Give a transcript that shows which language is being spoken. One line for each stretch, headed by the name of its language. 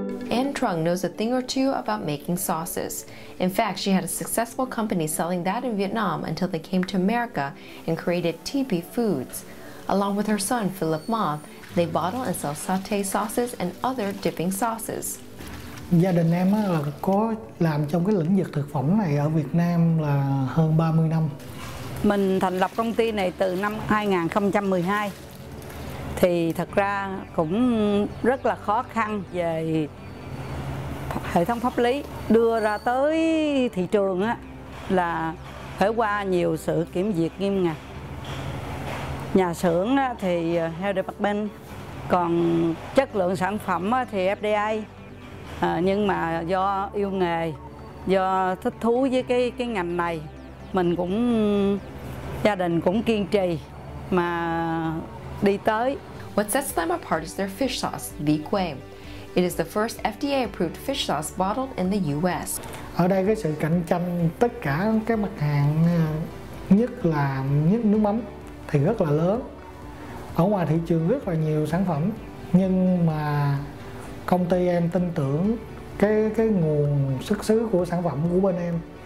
English: Anh Trung knows a thing or two about making sauces. In fact, she had a successful company selling that in Vietnam until they came to America and created TP Foods. Along with her son, Philip Ma, they bottle and sell satay sauces and other dipping sauces.
Vietnamese: Gia đình em là có làm trong cái lĩnh vực thực phẩm này ở Việt Nam là hơn 30 năm. Mình thành lập công ty này từ năm 2012. Thì thật ra cũng rất là khó khăn về hệ thống pháp lý đưa ra tới thị trường á, là phải qua nhiều sự kiểm duyệt nghiêm ngặt. Nhà xưởng á, thì Health Department, còn chất lượng sản phẩm á, thì FDA. Nhưng mà do yêu nghề, do thích thú với cái ngành này, mình cũng, gia đình cũng kiên trì mà đi tới.
English: What sets them apart is their fish sauce, Vị Quê. It is the first FDA-approved fish sauce bottled in the U.S.
Vietnamese: Ở đây cái sự cạnh tranh tất cả các mặt hàng, nhất là nhất nước mắm thì rất là lớn. Ở ngoài thị trường rất là nhiều sản phẩm, nhưng mà công ty em tin tưởng cái nguồn xuất xứ của sản phẩm của bên em.